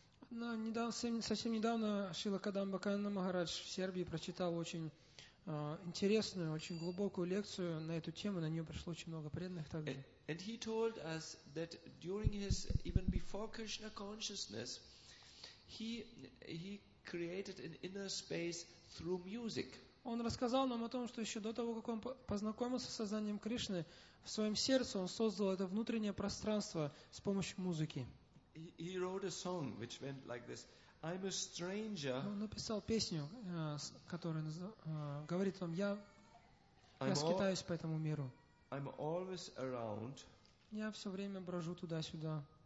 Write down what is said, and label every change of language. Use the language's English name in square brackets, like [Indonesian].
[Russian] Но совсем недавно Шрила Кадамба Кананда Махарадж в Сербии прочитал очень интересную, очень глубокую лекцию на эту тему, на нее пришло очень много преданных тогда. [English] And he told us that during his, even before Krishna consciousness, he created an inner space through music. [Russian] Он рассказал нам о том, что еще до того, как он познакомился с сознанием Кришны, в своем сердце он создал это внутреннее пространство с помощью музыки. [English] He wrote a song which went like this: I'm a stranger. [Russian] Он написал песню, которая говорит вам: я скитаюсь по этому миру. [English] I'm always around. [Russian] Я все время брожу туда-сюда.